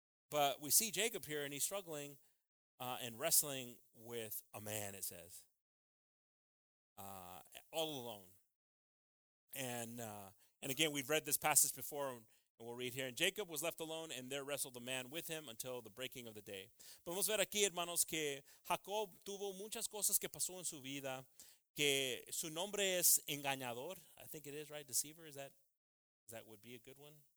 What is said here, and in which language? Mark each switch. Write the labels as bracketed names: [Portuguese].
[English] But we see Jacob here, and he's struggling and wrestling with a man, it says, all alone. And again, we've read this passage before, and we'll read here. And Jacob was left alone, and there wrestled a man with him until the breaking of the day. [Spanish] Podemos ver aquí, hermanos, que Jacob tuvo muchas cosas que pasó en su vida, que su nombre es engañador. [English] I think it is, right? Deceiver, is that would be a good one?